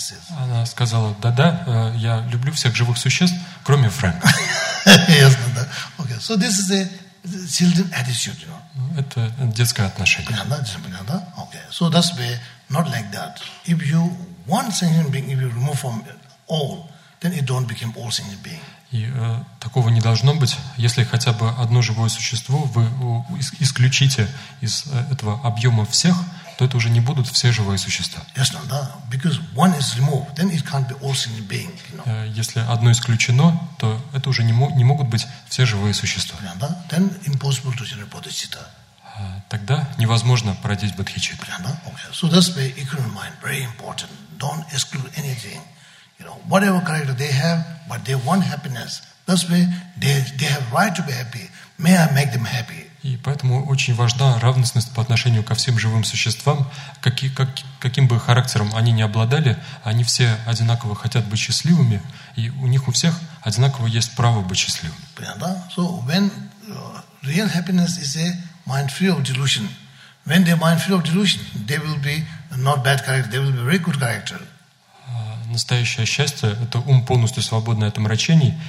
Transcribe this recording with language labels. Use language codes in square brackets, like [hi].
[ru] Она сказала, да-да, я люблю всех живых существ, кроме Фрэнка. Yes, да-да. [en] Okay, so this is a children attitude, you know. [ru] Это детское отношение. Понятно? [en] Okay, so that's why not like that. If you one sentient being, if you remove from it, all, then it don't become all sentient being. [ru] И такого не должно быть. Если хотя бы одно живое существо вы исключите из этого объема всех, то это уже не будут все живые существа. [en] Yes, no, no. Because one is removed, then it can't be all sentient being. You know? [ru] Если одно исключено, то это уже не могут быть все живые существа. [en] Yeah, no? Then impossible to generate bodhicitta. [ru] Тогда невозможно породить бодхичит. [en] Yeah, no? Okay. So that's why equanimous mind very important. Don't exclude anything. You know, whatever character they have, but they want happiness. That's why they have right to be happy. May I make them happy? [ru] И поэтому очень важна равностность по отношению ко всем живым существам, каким бы характером они ни обладали, они все одинаково хотят быть счастливыми, и у них у всех одинаково есть право быть счастливым. Понятно? [en] So when real happiness is a mind free of delusion, when they mind free of delusion, they will be not bad character. They will be very good character. [ru] Настоящее счастье – это ум, полностью свободный от омрачений.